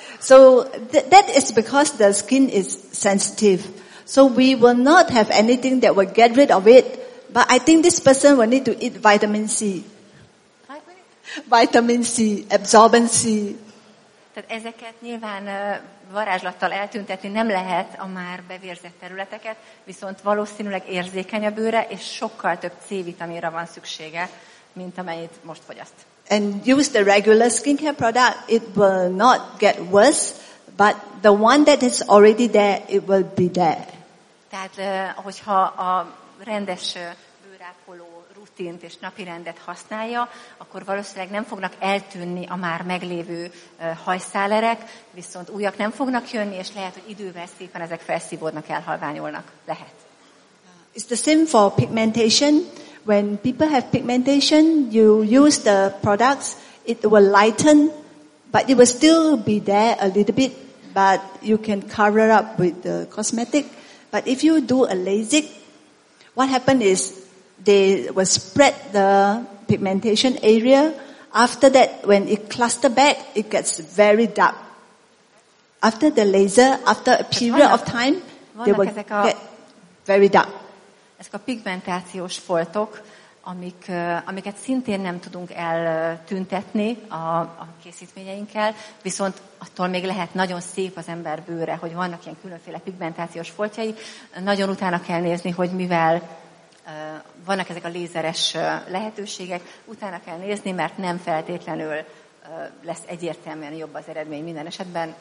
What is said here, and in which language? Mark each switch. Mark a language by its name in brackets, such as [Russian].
[English] So that is because the skin is sensitive. So we will not have anything that will get rid of it. But I think this person will need to eat vitamin C. Vitamin C, absorbent C. [Hungarian] Tehát ezeket nyilván varázslattal eltüntetni nem lehet a már bevérzett területeket, viszont valószínűleg érzékeny a bőre, és sokkal több C-vitaminra van szüksége, mint amennyit most fogyaszt. [English] And use the regular skincare product, it will not get worse, but the one that is already there, it will be there. [Hungarian] Tehát, hogyha a rendes bőrápoló rutint és napi rendet használja, akkor valószínűleg nem fognak eltűnni a már meglévő hajszálerek, viszont újak nem fognak jönni, és lehet, hogy idővel szépen ezek felszívódnak, elhalványolnak. Lehet. [English] It's the same for pigmentation. When people have pigmentation, you use the products, it will lighten, but it will still be there a little bit, but you can cover it up with the cosmetic. But if you do a LASIK, what happens is they will spread the pigmentation area. After that, when it cluster back, it gets very dark. After the laser, after a period of time, [Hungarian] ezek a [English] very dark. [Hungarian] Ezek a pigmentációs foltok, amiket szintén nem tudunk eltüntetni a készítményeinkkel, viszont attól még lehet nagyon szép az ember bőre, hogy vannak ilyen különféle pigmentációs foltjai. Nagyon utána kell nézni, hogy mivel vannak ezek a lézeres lehetőségek, utána kell nézni, mert nem feltétlenül lesz egyértelműen jobb az eredmény minden esetben.